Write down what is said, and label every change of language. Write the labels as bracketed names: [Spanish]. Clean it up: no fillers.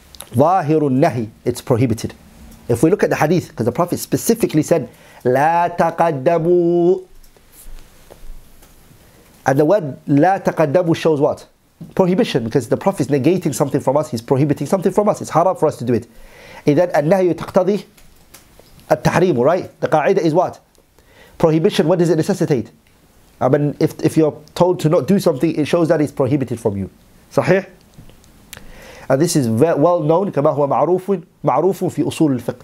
[Arabic] ظاهر النهي, [English] it's prohibited. If we look at the hadith, because the Prophet specifically said, [Arabic] لا تقدموا. [English] And the word [Arabic] لا تقدموا [English] shows what? Prohibition, because the Prophet is negating something from us, he's prohibiting something from us, it's haram for us to do it. [Arabic] إذن النهي تقتضي التحريم, right? [English] The qa'idah is what? Prohibition, what does it necessitate? I mean, if you're told to not do something, it shows that it's prohibited from you. Sahih? And this is well known, [Arabic] كما هو معروف معروف في أصول الفقه.